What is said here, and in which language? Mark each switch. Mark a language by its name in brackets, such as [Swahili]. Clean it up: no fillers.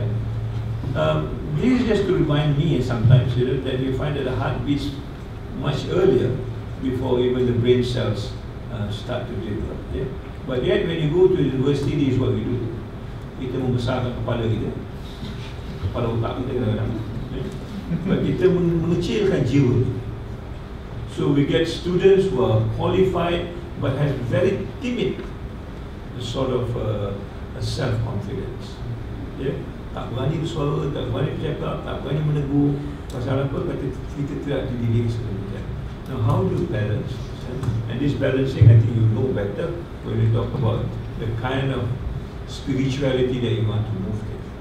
[English] Yeah. Please just to remind me sometimes, you know, that you find that the heart beats much earlier before even the brain cells start to develop. Yeah? But yet when you go to university, this is what we do. [Malay] Kita membesarkan kepala kita. Kepala otak kita kadang-kadang. Yeah? But kita mengecilkan jiwa. [English] So we get students who are qualified but have very timid sort of self-confidence. [Malay] Yeah? Tak berani bersuara, tak berani bercakap, tak berani menegur. Pasal apa? Kata kita tidak dididik sebenarnya. [English] Now, how do you balance? And this balancing, I think you know better when you talk about the kind of spirituality that you want to move to.